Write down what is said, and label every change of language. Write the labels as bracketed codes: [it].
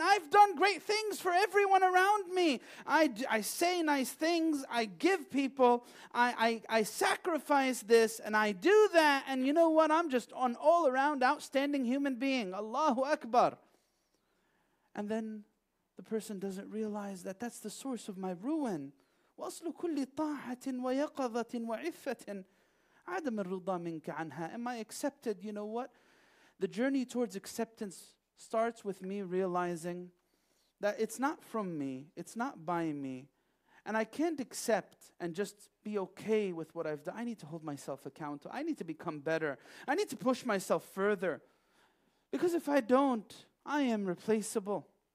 [en] I've done great things for everyone around me. I say nice things. I give people. I sacrifice this and I do that. And you know what? I'm just an all-around outstanding human being. Allahu Akbar. And then the person doesn't realize that that's the source of my ruin. [ar] وَأَصْلُ كُلِّ طَاعَةٍ وَيَقَظَةٍ وَعِفَّةٍ عَدَمَ الرُّضَى مِنْكَ عَنْهَا [en] Am I accepted? You know what? The journey towards acceptance starts with me realizing that it's not from me, it's not by me, and I can't accept and just be okay with what I've done. I need to hold myself accountable. I need to become better. I need to push myself further. Because if I don't, I am replaceable.